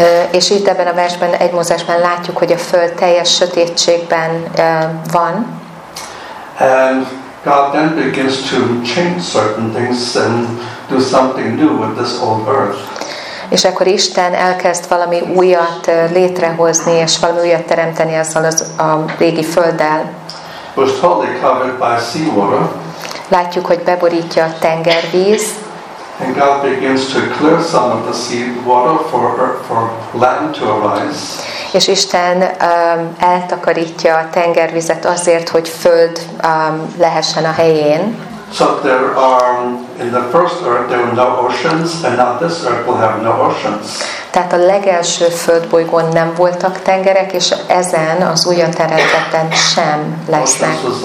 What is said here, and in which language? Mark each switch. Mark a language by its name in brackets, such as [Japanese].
[Hungarian] És itt ebben a versben, egy Mózesben látjuk, hogy a föld teljes sötétségben van. [English] And God then begins to change certain things and do something new with this old earth. [Hungarian] És akkor Isten elkezd valami újat létrehozni, és valami újat teremteni ezzel a régi földdel. [English] Totally covered by sea water. [Hungarian] Látjuk, hogy beborítja a tengervíz. [English] And God begins to clear some of the sea water for land to arise. [Hungarian] És Isten eltakarítja a tengervizet azért, hogy föld lehessen a helyén. [English] So there are in the first earth there were no oceans, and now this earth will have no oceans. [Hungarian] Tehát a legelső földbolygón nem voltak tengerek, és ezen az újon teremtetten sem lesznek.